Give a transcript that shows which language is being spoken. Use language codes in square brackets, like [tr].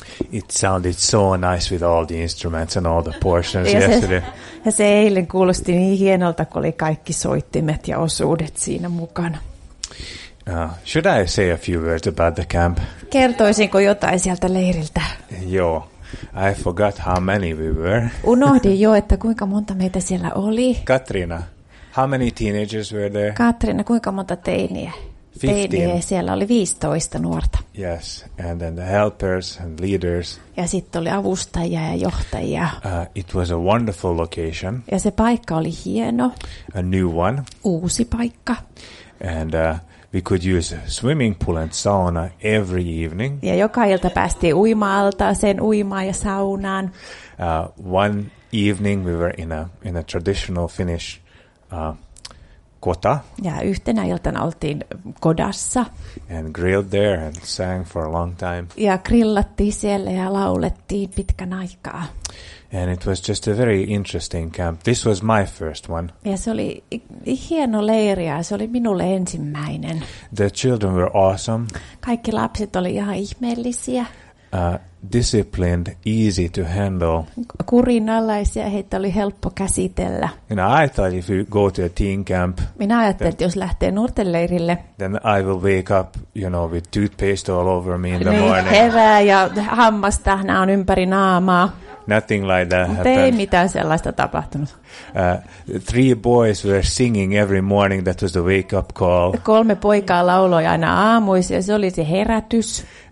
[en] It sounded so nice with all the instruments and all the portions yesterday. [fi] Ja se eilen kuulosti niin hienolta, kun oli kaikki soittimet ja osuudet siinä mukana. [en] Should I say a few words about the camp? [fi] Kertoisinko jotain sieltä leiriltä? Joo. [en] I forgot how many we were. [fi] Unohdin jo, että kuinka monta meitä siellä oli. [en] Katrina, how many teenagers were there? [fi] Katrina, kuinka monta teiniä? 15. Teiniä siellä oli 15 nuorta. [en] Yes, and then the helpers and leaders. [fi] Ja sitten oli avustajia ja johtajia. [en] It was a wonderful location. [fi] Ja se paikka oli hieno. [en] A new one. [fi] Uusi paikka. [en] And we could use a swimming pool and sauna every evening. [fi] Ja joka ilta päästiin uima-altaaseen, uimaan ja saunaan. [en] One evening we were in a traditional Finnish kota. [fi] Ja yhtenä iltana oltiin kodassa. [en] And grilled there and sang for a long time. [fi] Ja grillattiin siellä ja laulettiin pitkän aikaa. [en] And it was just a very interesting camp. This was my first one. [fi] Ja se oli hieno leiri ja se oli minulle ensimmäinen. [en] The children were awesome. [fi] Kaikki lapset oli ihan ihmeellisiä. [en] Disciplined, easy to handle. [fi] Kurinalaisia, heitä oli helppo käsitellä. [en] You know, I thought if you go to a teen camp. [fi] Minä ajattelin, että jos lähtee nuorten leirille. [en] Then I will wake up, you know, with toothpaste all over me in the morning. [fi] Hevää ja hammastahna on ympäri naamaa. [en] Nothing like that happened. [fi] Ei mitään sellaista tapahtunut. [en] Three boys were singing every morning. That was the wake up call. [fi] Kolme poikaa lauloi aina aamuisin, se oli se herätys.